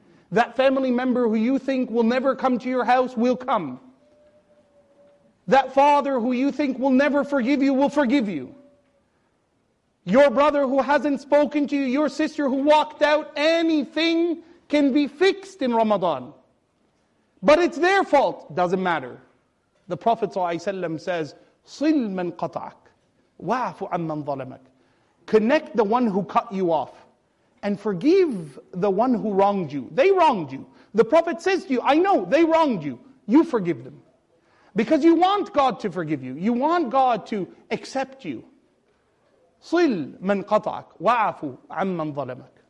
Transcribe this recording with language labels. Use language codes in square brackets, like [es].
[en] That family member who you think will never come to your house will come. That father who you think will never forgive you will forgive you. Your brother who hasn't spoken to you, your sister who walked out, anything can be fixed in Ramadan. But it's their fault. Doesn't matter. The Prophet ﷺ says, [ar] صِلْ مَنْ قَطَعَكْ وَعَفُ عَمَّنْ ظَلَمَكْ. [en] Connect the one who cut you off. And forgive the one who wronged you. They wronged you. The Prophet says to you, I know, they wronged you. You forgive them. Because you want God to forgive you. You want God to accept you. [ar] صِلْ مَنْ قَطَعَكْ وَعَفُ عَمَّنْ ظَلَمَكْ.